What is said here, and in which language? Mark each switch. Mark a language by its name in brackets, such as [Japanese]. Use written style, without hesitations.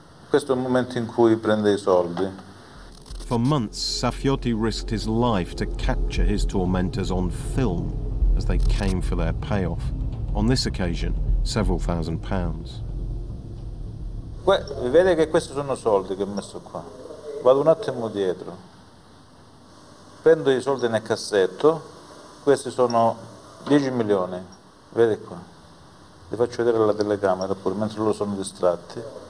[Italian] Questo è un momento in cui prende I soldi. [English] For months, Saffiotti risked his life to capture his tormentors on film as they came for their payoff. On this occasion, several thousand pounds. [Italian] Vede che questi sono soldi che ho messo qua. Vado un attimo dietro. Prendo I soldi nel cassetto. Questi sono 10 milioni. Vede qua. Li faccio vedere alla telecamera pure mentre loro sono distratti.